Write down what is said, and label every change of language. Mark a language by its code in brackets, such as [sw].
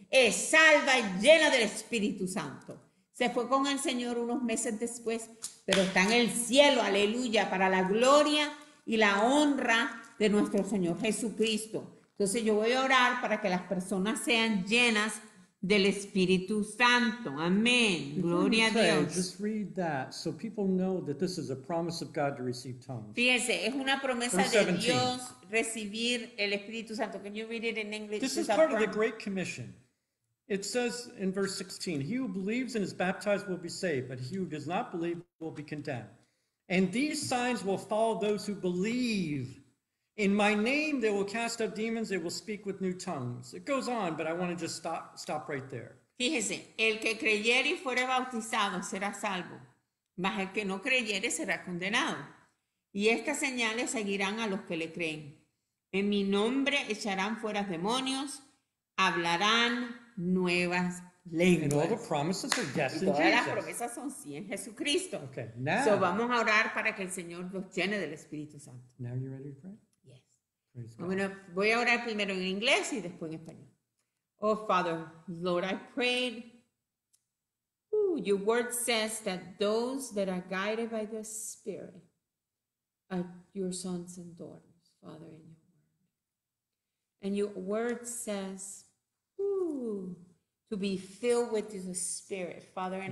[es] Es salva y llena del Espíritu Santo. Se fue con el Señor unos meses después, pero está en el cielo, aleluya, para la gloria y la honra de nuestro Señor Jesucristo. Entonces yo voy a orar para que las personas sean llenas del Espíritu Santo. Amén. Gloria a Dios. [en] Just read that so people know that this is a promise of God to receive tongues. [es] Fíjense, es una promesa de Dios recibir el Espíritu Santo. [en] Can you read it in English? This is part of the Great Commission. It says in verse 16, he who believes and is baptized will be saved, but he who does not believe will be condemned. And these signs will follow those who believe. In my name, they will cast out demons, they will speak with new tongues. It goes on, but I want to just stop right there. [es] Fíjese, el que creyere y fuere bautizado será salvo, mas el que no creyere será condenado. Y estas señales seguirán a los que le creen. En mi nombre echarán fuera demonios, hablarán nuevas lenguas. [en] And all the promises are yes in Jesus. [es] Y todas las promesas son sí en Jesucristo. [en] Okay, now. [es] So vamos a orar para que el Señor los llene del Espíritu Santo. [en] Now you're ready to pray? Yes. [es] Bueno, voy a orar primero en inglés y después en español. [en] Oh, Father, Lord, I prayed. Ooh, your word says that those that are guided by the Spirit are your sons and daughters, Father, in your word. And your word says, ooh, to be filled with the Spirit, Father, and